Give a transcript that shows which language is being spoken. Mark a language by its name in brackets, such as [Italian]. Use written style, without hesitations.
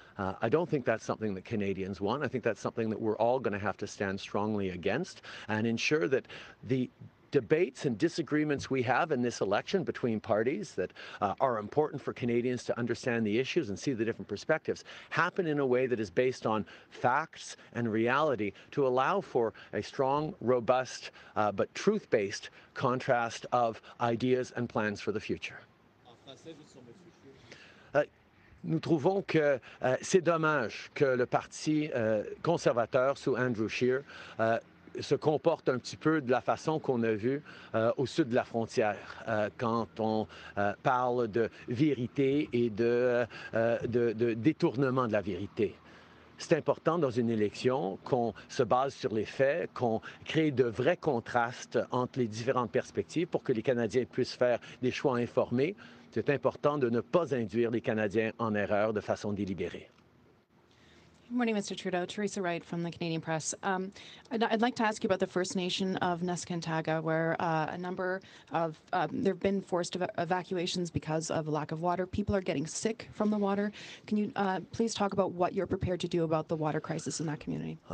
[English] I don't think that's something that Canadians want. I think that's something that we're all going to have to stand strongly against and ensure that the debates and disagreements we have in this election between parties that are important for Canadians to understand the issues and see the different perspectives happen in a way that is based on facts and reality to allow for a strong, robust, but truth-based contrast of ideas and plans for the future. [French] Nous trouvons que c'est dommage que le parti conservateur sous Andrew Scheer se comporte un petit peu de la façon qu'on a vu au sud de la frontière quand on parle de vérité et de détournement de la vérité. C'est important dans une élection qu'on se base sur les faits, qu'on crée de vrais contrastes entre les différentes perspectives pour que les Canadiens puissent faire des choix informés. C'est important de ne pas induire les Canadiens en erreur de façon délibérée. [English] Good morning, Mr. Trudeau. Teresa Wright from the Canadian Press. I'd like to ask you about the First Nation of Neskantaga, where a number of there have been forced evacuations because of a lack of water. People are getting sick from the water. Can you please talk about what you're prepared to do about the water crisis in that community?